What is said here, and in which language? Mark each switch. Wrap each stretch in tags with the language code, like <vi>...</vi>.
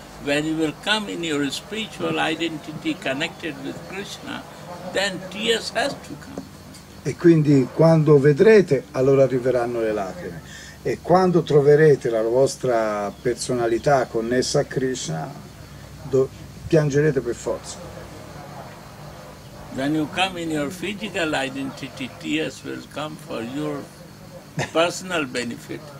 <en>When you will come in your spiritual identity connected with Krishna, then tears has to come.</en> <it>E quindi quando vedrete, allora arriveranno le lacrime. E quando troverete la vostra personalità connessa a Krishna, piangerete per forza.</it> <en>When you come in your physical identity, tears will come for your personal benefit.</en>